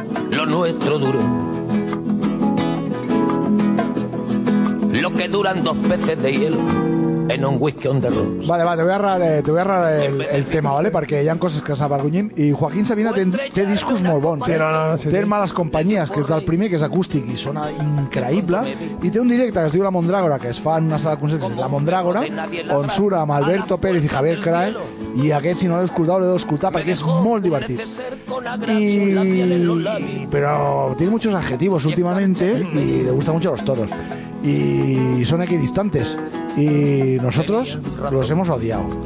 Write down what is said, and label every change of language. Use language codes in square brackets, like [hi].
[es] Lo nuestro duro. Lo que duran dos peces de hielo. En un whisky on the rocks. Vale, va, te voy a errar el tema, ¿vale? [ca] Perquè hi ha coses que s'avergonyim. I Joaquín Sabina té discos molt bons. Sí, no, té Males Companyies, que és el primer, que és acústic i sona increïble. I té un directe que es diu La Mondrágora, que es fa en una sala de concerts, La Mondrágora, on surt amb Alberto Pérez i Javier Crae. I aquest, si no l'heu escoltat, l'heu d'escoltar perquè és molt divertit. I... [es] Però tiene muchos adjetivos últimamente y le gusta mucho a los toros. Y son equidistantes. Y nosotros los hemos odiado.